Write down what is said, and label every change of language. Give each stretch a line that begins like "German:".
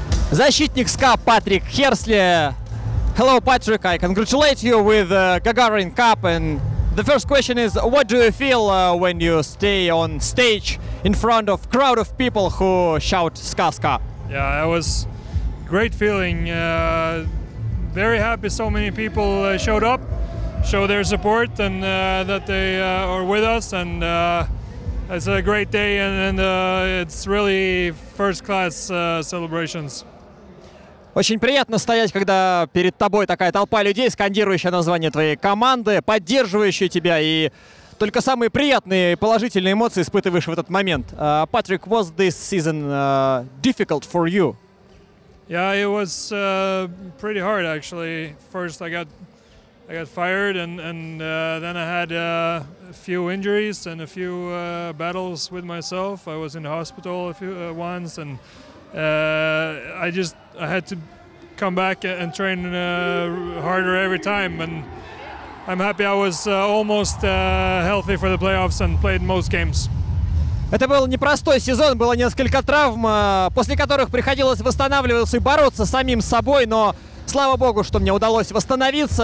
Russian: Защитник СКА Патрик Херсли.
English: Hello, Patrick. I congratulate you with the Gagarin Cup. And the first question is, what do you feel when you stay on stage in front of crowd of people who shout SKA SKA? Yeah, it was great feeling. Very happy so many people showed up, show their support, and that they are with us. And it's a great day, and it's really first-class celebrations.
Russian: Очень приятно стоять, когда перед тобой такая толпа людей, скандирующая название твоей команды, поддерживающая тебя, и только самые приятные и положительные эмоции испытываешь в этот момент.
English: Patrick, was this season difficult for you? Yeah, it was pretty hard actually. First I got fired, and then I had a few injuries and a few battles with myself. I was in the hospital once, and I had to come back and train harder every time, and I'm happy I was almost healthy for the playoffs and played most games.
Russian: Это был непростой сезон, было несколько травм, после которых приходилось восстанавливаться и бороться с самим собой, но слава богу, что мне удалось восстановиться.